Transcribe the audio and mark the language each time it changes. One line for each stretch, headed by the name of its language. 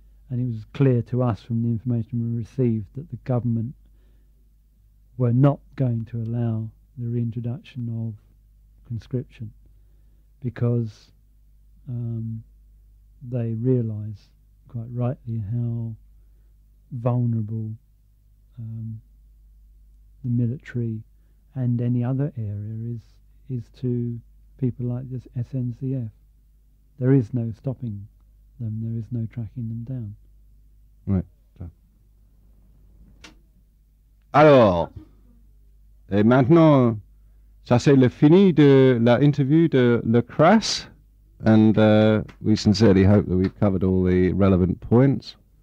English: And it was clear to us from the information we received that the government were not going to allow the reintroduction of conscription because they realise quite rightly how vulnerable the military and any other area is to people like this SNCF. There is no stopping them, there is no tracking them down. Right.
French: Alors, et maintenant, ça c'est le fini de la interview de Le Crass.
English: And we sincerely hope that we've covered all the relevant points.